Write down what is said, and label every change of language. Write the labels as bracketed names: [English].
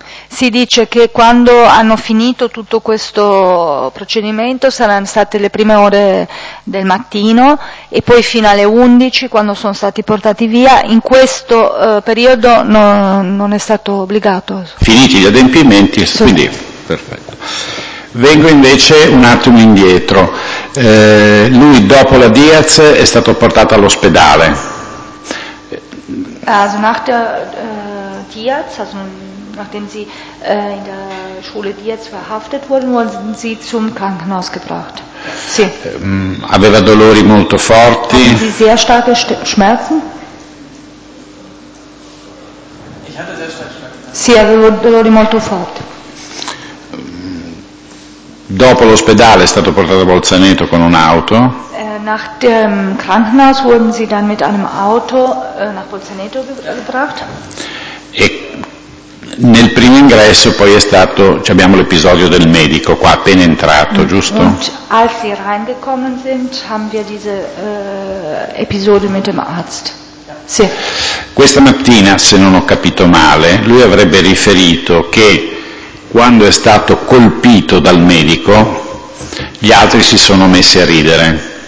[Italian] Si dice che quando hanno finito tutto questo procedimento saranno state le prime ore del mattino e poi fino alle 11 quando sono stati portati via, in questo periodo non è stato obbligato. Finiti gli adempimenti, sì. Quindi perfetto. Vengo invece un attimo indietro. Lui dopo la Diaz è stato portato all'ospedale. [German] Also nach der Diaz, also nachdem sie in der Schule Diaz verhaftet wurden, wurden sie zum Krankenhaus gebracht. [Italian] Sì. Aveva dolori molto forti. [German] Hatten sie sehr starke Schmerzen? Ich hatte sehr starke Schmerzen. [Italian] Sì, avevo dolori molto forti. Dopo l'ospedale è stato portato a Bolzaneto con un'auto. [German] Nach dem Krankenhaus wurden sie dann mit einem Auto nach Bolzaneto gebracht. [Italian] E nel primo ingresso poi è stato, abbiamo l'episodio del medico qua appena entrato, giusto? [German] Und als sie reingekommen sind, haben wir diese episode mit dem Arzt. [Italian] Sì. Questa mattina, se non ho capito male, lui avrebbe riferito che quando è stato colpito dal medico, gli altri si sono messi a ridere.